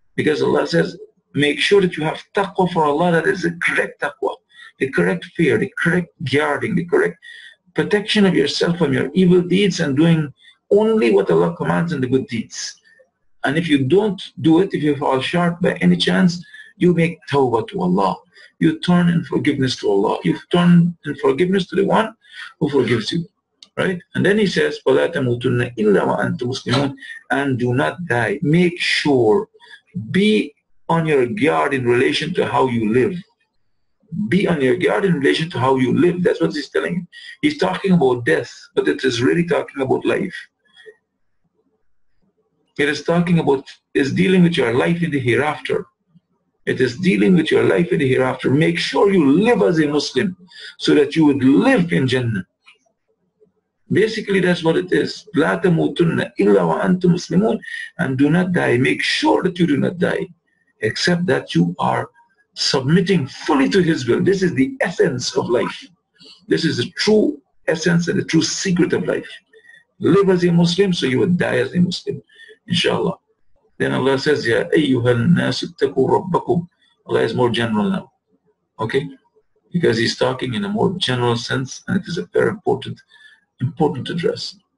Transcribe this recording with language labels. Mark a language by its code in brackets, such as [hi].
[en] Because Allah says, make sure that you have taqwa for Allah, that is the correct taqwa, the correct fear, the correct guarding, the correct protection of yourself from your evil deeds, and doing only what Allah commands in the good deeds. And if you don't do it, if you fall short by any chance, you make tawbah to Allah. You turn in forgiveness to Allah. You turn in forgiveness to the one who forgives you. Right? And then he says, [ar] وَلَا تَمُوتُنَّ إِلَّا وَأَنْتُ مُسْلِمُونَ. [en] And do not die. Make sure. Be on your guard in relation to how you live. Be on your guard in relation to how you live. That's what he's telling. He's talking about death, but it is really talking about life. It is talking about, is dealing with your life in the hereafter. It is dealing with your life in the hereafter. Make sure you live as a Muslim so that you would live in Jannah. Basically, that's what it is. [ar] لَا تَمُوتُنَّ إِلَّا وَأَنْتُ مُسْلِمُونَ. [en] And do not die. Make sure that you do not die, except that you are submitting fully to His will. This is the essence of life. This is the true essence and the true secret of life. Live as a Muslim, so you will die as a Muslim, inshallah. Then Allah says, [ar] يَا أَيُّهَا النَّاسُ اتَّقُوا رَبَّكُمْ. [en] Allah is more general now. Okay? Because He's talking in a more general sense, and it is a very important address.